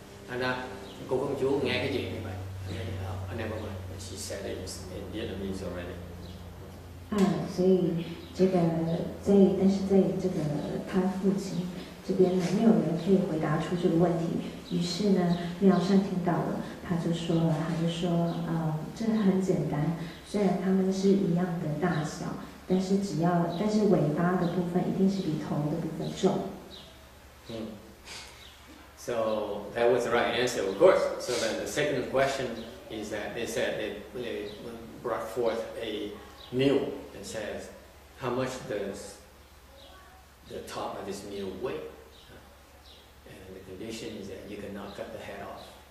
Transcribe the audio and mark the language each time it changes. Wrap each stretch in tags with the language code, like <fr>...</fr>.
<vi>And cô công chúa nghe cái gì như vậy?</vi> <en>Never mind. And she said it was in Vietnamese already.</en> <zh>所以这个但是这个他父亲这边呢，没有人可以回答出这个问题。于是呢，妙善听到了。他就说，这很简单。虽然它们是一样的大小，但是尾巴的部分一定是比头的部分重。</zh> <en>So that was the right answer, of course. So then the second question is that they said they brought forth a mule and says, how much does the top of this mule weigh? And the condition is that you cannot cut the head off.</en>